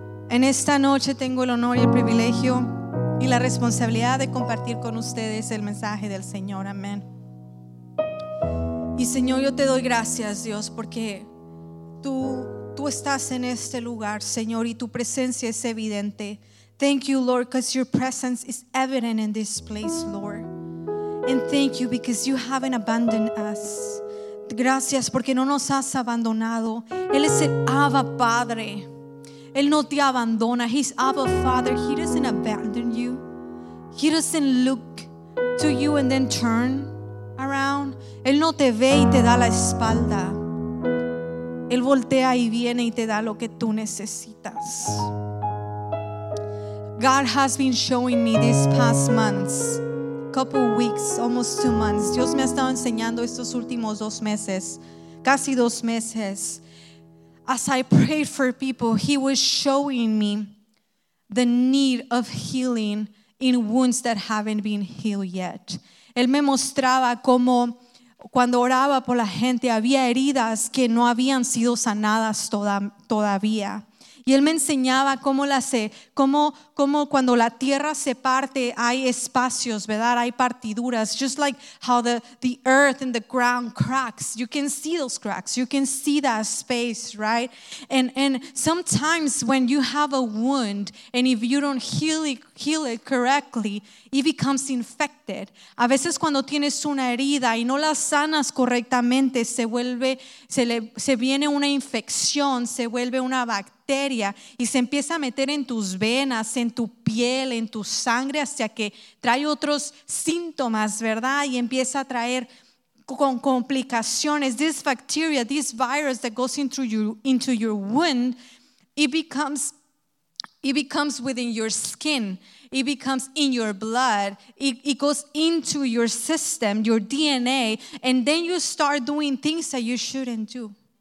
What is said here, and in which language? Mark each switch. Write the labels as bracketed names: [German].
[Spanish] En esta noche tengo el honor y el privilegio y la responsabilidad de compartir con ustedes el mensaje del Señor. Amén. Y Señor, yo te doy gracias, Dios, porque tú estás en este lugar, Señor, y tu presencia es evidente. [English] Thank you, Lord, because your presence is evident in this place, Lord. And thank you because you haven't abandoned us. [Spanish] Gracias porque no nos has abandonado. Él es el Abba Padre. Él no te abandona. [English] He's Abba Father. He doesn't abandon you. He doesn't look to you and then turn around. [Spanish] Él no te ve y te da la espalda. Él voltea y viene y te da lo que tú necesitas. [English] God has been showing me these past months, couple weeks, almost 2 months. [Spanish] Dios me ha estado enseñando estos últimos 2 meses, casi 2 meses. [English] As I prayed for people, He was showing me the need of healing in wounds that haven't been healed yet. [Spanish] Él me mostraba cómo cuando oraba por la gente había heridas que no habían sido sanadas todavía. Y él me enseñaba cómo cuando la tierra se parte hay espacios, ¿verdad? Hay partiduras. [English] Just like how the earth and the ground cracks. You can see those cracks. You can see that space, right? And sometimes when you have a wound and if you don't heal it correctly, it becomes infected. [Spanish] A veces cuando tienes una herida y no la sanas correctamente, se viene una infección, se vuelve una bacteria. Y se empieza a meter en tus venas, en tu piel, en tu sangre, hasta que trae otros síntomas, ¿verdad? Y empieza a traer con complicaciones. [English] This bacteria, this virus that goes into your wound, it becomes within your skin. It becomes in your blood. It goes into your system, your DNA, and then you start doing things that you shouldn't do.